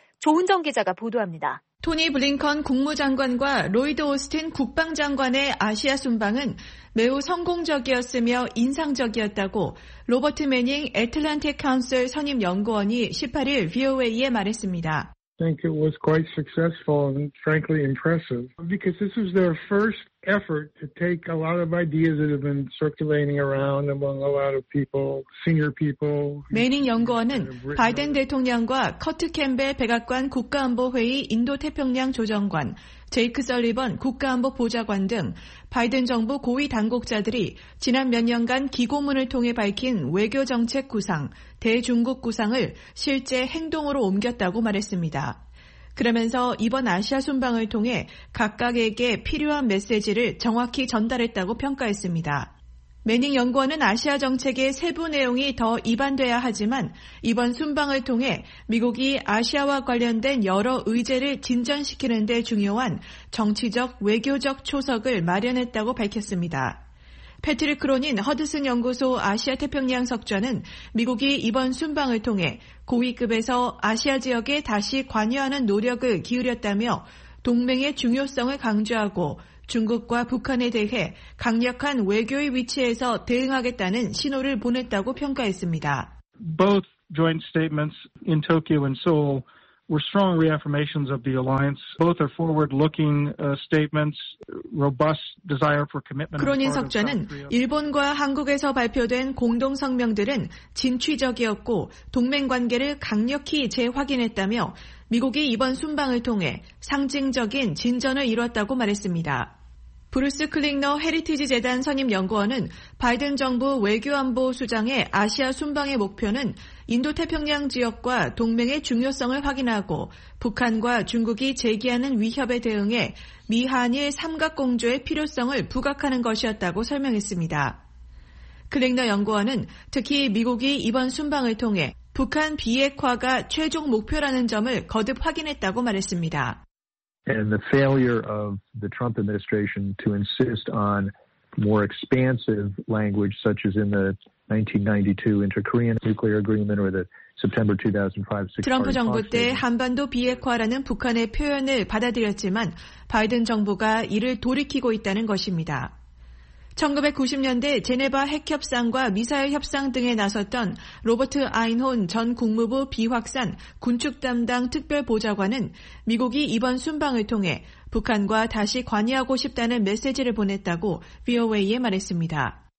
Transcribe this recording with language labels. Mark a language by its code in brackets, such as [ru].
[ko] 조은정 기자가 보도합니다. 토니 블링컨 국무장관과 로이드 오스틴 국방장관의 아시아 순방은 매우 성공적이었으며 인상적이었다고 로버트 매닝 애틀랜틱 카운슬 선임 연구원이 18일 VOA에 말했습니다. [en] I think it was quite successful and frankly impressive because this was their first effort to take a lot of ideas that have been circulating around among a lot of people, senior people. [ko] 매닝 연구원은 바이든 대통령과 커트 캠벨 백악관 국가안보회의 인도태평양 조정관, 제이크 설리번 국가안보보좌관 등 바이든 정부 고위 당국자들이 지난 몇 년간 기고문을 통해 밝힌 외교정책 구상, 대중국 구상을 실제 행동으로 옮겼다고 말했습니다. 그러면서 이번 아시아 순방을 통해 각각에게 필요한 메시지를 정확히 전달했다고 평가했습니다. 매닝 연구원은 아시아 정책의 세부 내용이 더 입안돼야 하지만 이번 순방을 통해 미국이 아시아와 관련된 여러 의제를 진전시키는 데 중요한 정치적, 외교적 초석을 마련했다고 밝혔습니다. 패트릭 크로닌 허드슨 연구소 아시아태평양 석좌는 미국이 이번 순방을 통해 고위급에서 아시아 지역에 다시 관여하는 노력을 기울였다며 동맹의 중요성을 강조하고 중국과 북한에 대해 강력한 외교의 위치에서 대응하겠다는 신호를 보냈다고 평가했습니다. [en] Both joint statements in Tokyo and Seoul were strong reaffirmations of the alliance. Both are forward-looking statements, robust desire for commitment. [ko] 크로닌 석좌는 일본과 한국에서 발표된 공동 성명들은 진취적이었고 동맹 관계를 강력히 재확인했다며 미국이 이번 순방을 통해 상징적인 진전을 이뤘다고 말했습니다. 브루스 클링너 헤리티지 재단 선임 연구원은 바이든 정부 외교안보 수장의 아시아 순방의 목표는 인도태평양 지역과 동맹의 중요성을 확인하고 북한과 중국이 제기하는 위협에 대응해 미한일 삼각공조의 필요성을 부각하는 것이었다고 설명했습니다. 클링너 연구원은 특히 미국이 이번 순방을 통해 북한 비핵화가 최종 목표라는 점을 거듭 확인했다고 말했습니다. [en] And the failure of the Trump administration to insist on more expansive language such as in the 1992 Inter-Korean Nuclear Agreement or the September 2005 [ko] 트럼프 정부 때 한반도 비핵화라는 북한의 표현을 받아들였지만 바이든 정부가 이를 돌이키고 있다는 것입니다. 1990년대 제네바 핵협상과 미사일 협상 등에 나섰던 로버트 아인혼 전 국무부 비확산 군축 담당 특별보좌관은 미국이 이번 순방을 통해 북한과 다시 관여하고 싶다는 메시지를 보냈다고 VOA에 말했습니다.